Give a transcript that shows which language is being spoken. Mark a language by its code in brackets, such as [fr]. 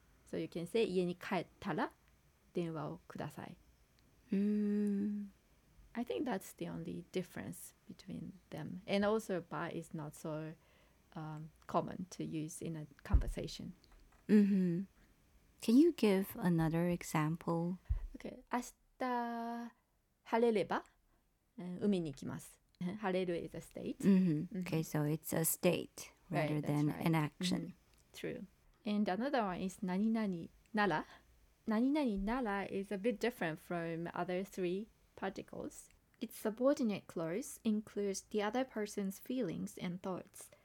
[en] So you can say [ja] 家に帰ったら電話をください. [en] I think that's the only difference between them. And also ba is not so common to use in a conversation. Can you give another example? Okay. [ja] 明日晴れれば海に行きます. [en] 晴れる is a state. Okay, so it's a state rather than an action. True. And another one is 何々なら.何々なら is a bit different from other three particles. Its subordinate clause includes the other person's feelings and thoughts.